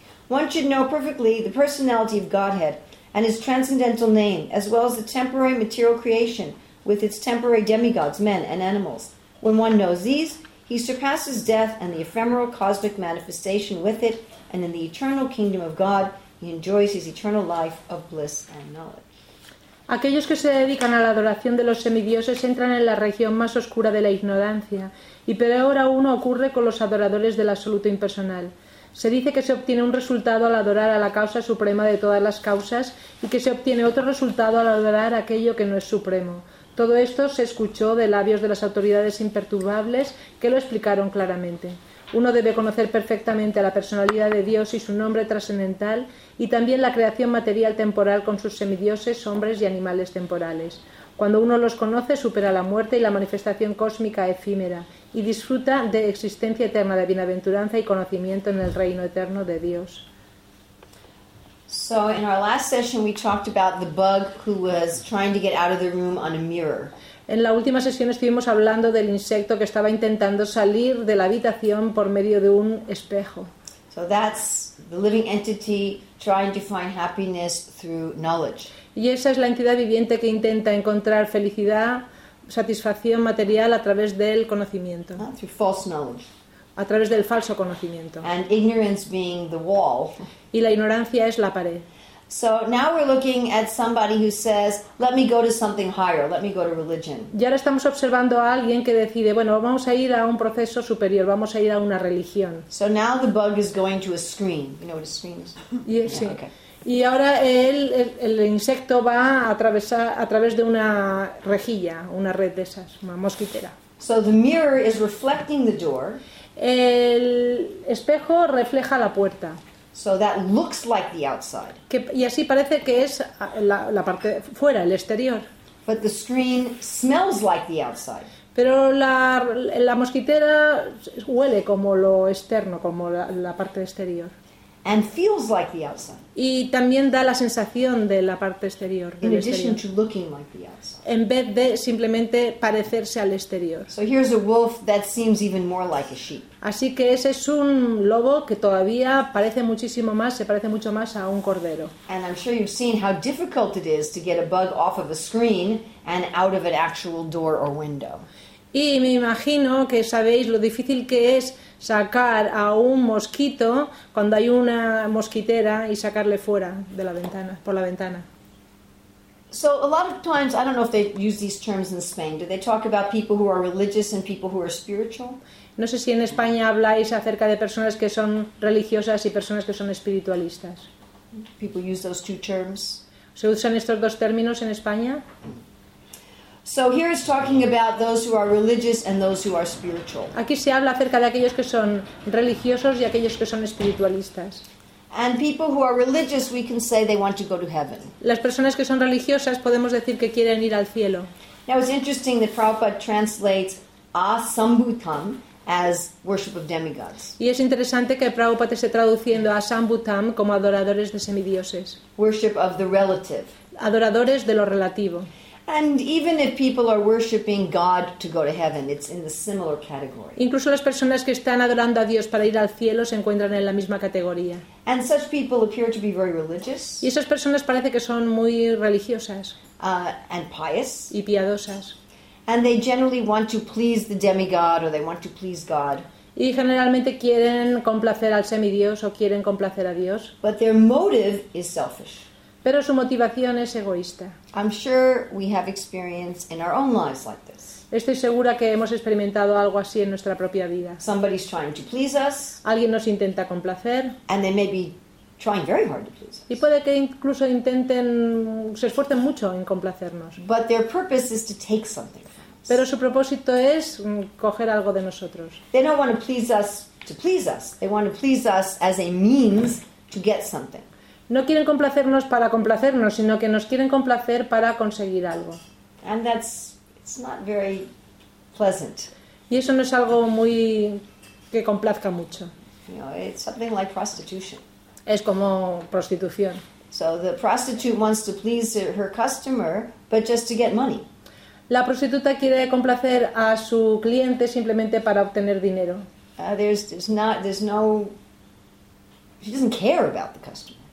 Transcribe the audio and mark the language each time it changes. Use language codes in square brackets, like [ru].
[en] One should know perfectly the personality of Godhead and his transcendental name, as well as the temporary material creation with its temporary demigods, men and animals. When one knows these, he surpasses death and the ephemeral cosmic manifestation with it, and in the eternal kingdom of God, he enjoys his eternal life of bliss and knowledge. [es] Aquellos que se dedican a la adoración de los semidioses entran en la región más oscura de la ignorancia, y peor aún ocurre con los adoradores del absoluto impersonal. Se dice que se obtiene un resultado al adorar a la causa suprema de todas las causas y que se obtiene otro resultado al adorar aquello que no es supremo. Todo esto se escuchó de labios de las autoridades imperturbables que lo explicaron claramente. Uno debe conocer perfectamente la personalidad de Dios y su nombre trascendental y también la creación material temporal con sus semidioses, hombres y animales temporales. Cuando uno los conoce, supera la muerte y la manifestación cósmica efímera y disfruta de existencia eterna de bienaventuranza y conocimiento en el reino eterno de Dios. [en] So in our last session we talked about the bug who was trying to get out of the room on a mirror. [es] En la última sesión estuvimos hablando del insecto que estaba intentando salir de la habitación por medio de un espejo. [en] So that's the living entity trying to find happiness through knowledge. [es] Y esa es la entidad viviente que intenta encontrar felicidad, satisfacción material a través del conocimiento. [en] Not through false knowledge. [es] A través del falso conocimiento. [en] And ignorance being the wall. [es] Y la ignorancia es la pared. [en] So now we're looking at somebody who says, "Let me go to something higher. Let me go to religion." [es] Y ahora estamos observando a alguien que decide, bueno, vamos a ir a un proceso superior, vamos a ir a una religión. [en] So now the bug is going to a screen. You know what a screen is? Yes, yeah, [es] sí. Okay. Y ahora el insecto va a atravesar a través de una rejilla, una red de esas, una mosquitera. [en] So the mirror is reflecting the door. [es] El espejo refleja la puerta. [en] So that looks like the outside. [es] Que, y así parece que es la parte fuera, el exterior. [en] But the screen smells like the outside. [es] Pero la mosquitera huele como lo externo, como la parte exterior. [en] And feels like the outside. [es] Y también da la sensación de la parte exterior. [en] In addition to looking like the outside. [es] En vez de simplemente parecerse al exterior. [en] So here's a wolf that seems even more like a sheep. [es] Así que ese es un lobo que todavía parece muchísimo más, se parece mucho más a un cordero. [en] And I'm sure you've seen how difficult it is to get a bug off of a screen and out of an actual door or window. [es] Y me imagino que sabéis lo difícil que es sacar a un mosquito cuando hay una mosquitera y sacarle fuera de la ventana, por la ventana. [en] So a lot of times, I don't know if they use these terms in Spain, do they talk about people who are religious and people who are spiritual? [es] No sé si en España habláis acerca de personas que son religiosas y personas que son espiritualistas. [en] People use those two terms. [es] ¿Se usan estos dos términos en España? [en] So here it's talking about those who are religious and those who are spiritual. [es] Aquí se habla acerca de aquellos que son religiosos y aquellos que son espiritualistas. [en] And people who are religious, we can say they want to go to heaven. [es] Las personas que son religiosas podemos decir que quieren ir al cielo. [en] Now it's interesting that Prabhupada translates Asambhutam as worship of demigods. [es] Y es interesante que Prabhupada esté traduciendo a Asambhutam como adoradores de semidioses. [en] Worship of the relative. [es] Adoradores de lo relativo. [en] And even if people are worshiping God to go to heaven, it's in the similar category. [es] Incluso las personas que están adorando a Dios para ir al cielo se encuentran en la misma categoría. [en] And such people appear to be very religious. [es] Y esas personas parece que son muy religiosas. [en] And pious. [es] Y piadosas. [en] And they generally want to please the demigod or they want to please God. [es] Y generalmente quieren complacer al semidios o quieren complacer a Dios. [en] But their motive is selfish. [es] Pero su motivación es egoísta. [en] I'm sure we have experience in our own lives like this. [es] Estoy segura que hemos experimentado algo así en nuestra propia vida. [en] Somebody's trying to please us. [es] Alguien nos intenta complacer. [en] And they may be trying very hard to please us. [es] Y puede que incluso intenten, se esfuercen mucho en complacernos. [en] But their purpose is to take something from us. [es] Pero su propósito es coger algo de nosotros. [en] They don't want to please us to please us. They want to please us as a means to get something. [es] No quieren complacernos para complacernos, sino que nos quieren complacer para conseguir algo. [en] And that's, it's not very pleasant. [es] Y eso no es algo muy que complazca mucho. [en] You know, it's something like prostitution. [es] Es como prostitución. [en] So the prostitute wants to please her customer, but just to get money. [es] La prostituta quiere complacer a su cliente simplemente para obtener dinero. [en] She doesn't care about the customer.